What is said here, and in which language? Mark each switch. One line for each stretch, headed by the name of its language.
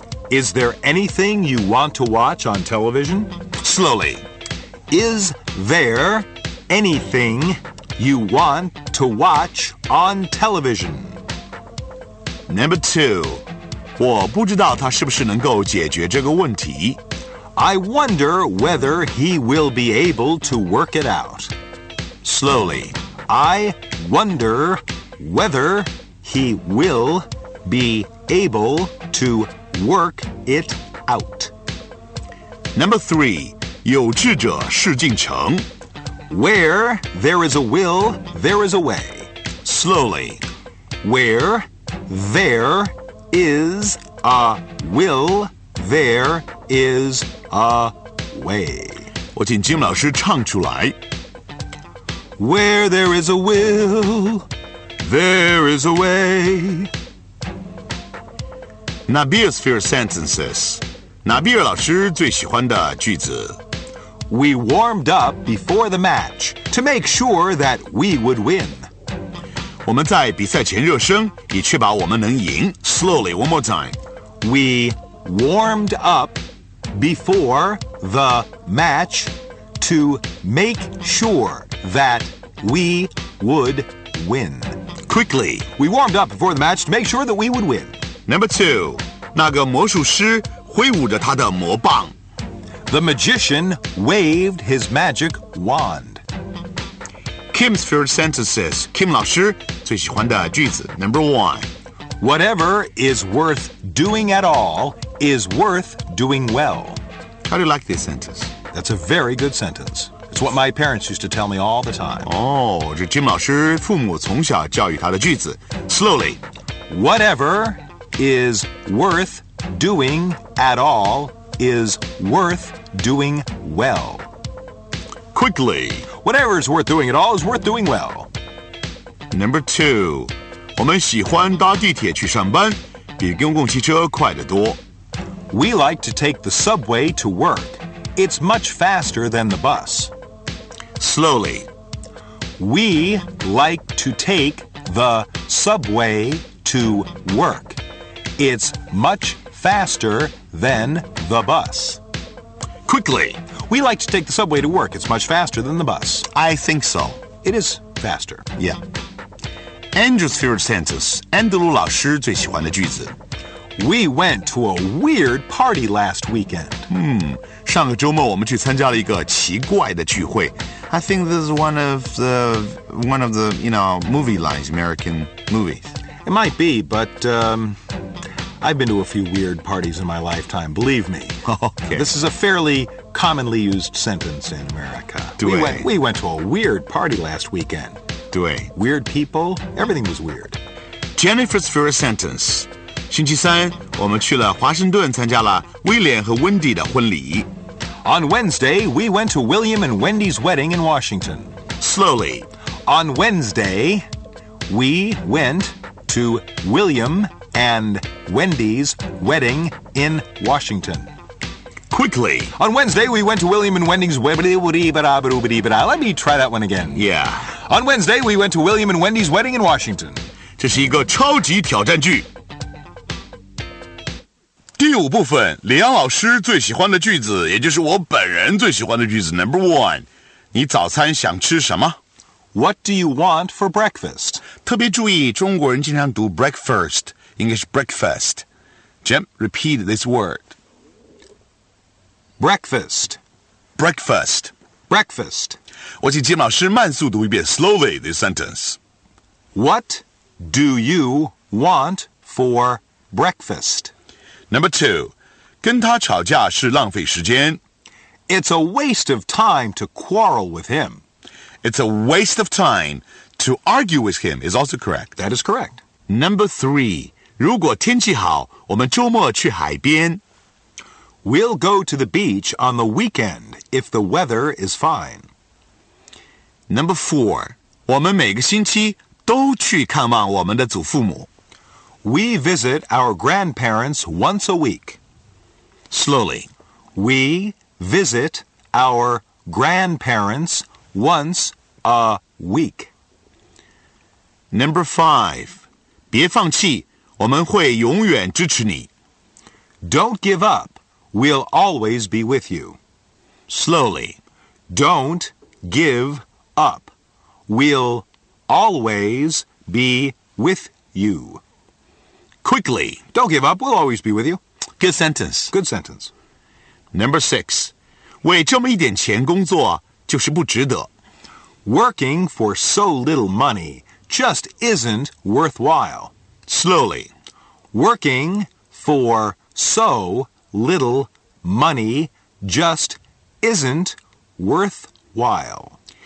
English: Is there anything you want to watch on television? Slowly. Is there anything you want to watch on television? Number 2.
Chinese: 我不知道他是不是能够解决这个问题。
English: I wonder whether he will be able to work it out. Slowly. I wonder whether he will be able to work it out. Number 3.
Chinese: 有志者事竟成。
English: Where there is a will, there is a way. Slowly. Where there is a will, there is a way.
Chinese: 我请金老师唱出来。
English: Where there is a will, there is a way. Nabeer's favorite sentences.
Chinese: Nabeer 老师最喜欢的句子。
English: We warmed up before the match to make sure that we would win.
Chinese: 我们在比赛前热身以确保我们能赢。
English: Slowly, one more time. We warmed up before the match to make sure that we would win. Quickly. We warmed up before the match to make sure that we would win. Number 2.
Chinese: 那个魔术师挥舞着他的魔棒。
English: The magician waved his magic wand. Kim's favorite sentences.
Chinese: Kim 老师最喜欢的句子。
English: Number 1. Whatever is worth doing at all is worth doing well. How do you like this sentence? That's a very good sentence. It's what my parents used to tell me all the time.
Chinese: Oh, 这 Jim 老师父母从小教育他的句子。
English: Slowly. Whatever... is worth doing at all is worth doing well. Quickly. Whatever is worth doing at all is worth doing well. Number 2.
Chinese: 我们喜欢搭地铁去上班比公共汽车快得多。
English: We like to take the subway to work. It's much faster than the bus. Slowly. We like to take the subway to work. It's much faster than the bus. Quickly. We like to take the subway to work. It's much faster than the bus. I think so. It is faster. Yeah. Andrew's favorite sentence.
Chinese: Andrew 老师最喜欢的句子。
English: We went to a weird party last weekend.
Chinese: 上个周末我们去参加了一个奇怪的聚会。
English: I think this is one of the, you know, movie lines, American movies. It might be, but... I've been to a few weird parties in my lifetime, believe me. Okay. This is a fairly commonly used sentence in America.
Chinese: 对。
English: We went to a weird party last weekend.
Chinese: 对。
English: Weird people, everything was weird. Jennifer's first sentence.
Chinese: 星期三,我们去了华盛顿参加了威廉和温迪的婚礼。
English: On Wednesday, we went to William and Wendy's wedding in Washington. Slowly. On Wednesday, We went to William and Wendy's wedding in Washington. Quickly. On Wednesday, we went to William and Wendy's wedding. Let me try that one again. Yeah. On Wednesday, we went to William and Wendy's wedding in Washington.
Chinese: 这是一个超级挑战句。第五部分，李阳老师最喜欢的句子，也就是我本人最喜欢的句子 ，
English: Number one，
Chinese: 你早餐想吃什么
English: ？What do you want for breakfast？
Chinese: 特别注意，中国人经常读 breakfast， 应该是 breakfast。
English: Jim， repeat this word。 Breakfast， breakfast， breakfast。
Chinese: 我请金老师慢速读一遍 ，
English: slowly this sentence。 What do you want for breakfast？ Number two,
Chinese: 跟他吵架是浪费时间。
English: It's a waste of time to quarrel with him. It's a waste of time to argue with him is also correct. That is correct. Number three,
Chinese: 如果天气好，我们周末去海边。
English: We'll go to the beach on the weekend if the weather is fine. Number four,
Chinese: 我们每个星期都去看望我们的祖父母。
English: We visit our grandparents once a week. Slowly. We visit our grandparents once a week. Number five.
Chinese: 别放弃，我们会永远支持你。
English: Don't give up. We'll always be with you. Slowly. Don't give up. We'll always be with you. Quickly. Don't give up. We'll always be with you. Good sentence. Good sentence. Number six.
Chinese: 为这么一点钱工作就是不值得。
English: Working for so little money just isn't worthwhile. Slowly. Working for so little money just isn't worthwhile.